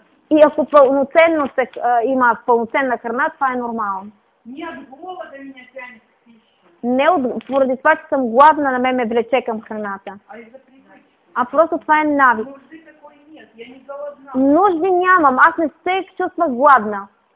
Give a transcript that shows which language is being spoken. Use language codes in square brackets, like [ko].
[bg] И ако пълноценно има пълноценна храна, това е нормално. [ru] Не от голода меня тянет в пищу. [bg] Не от, поради това, че съм гладна, на мен ме влече към храната. А просто това е навик. [ru] Нужди такой нет, я не голодна. [bg] Нужди нямам, аз не се чувствах гладна.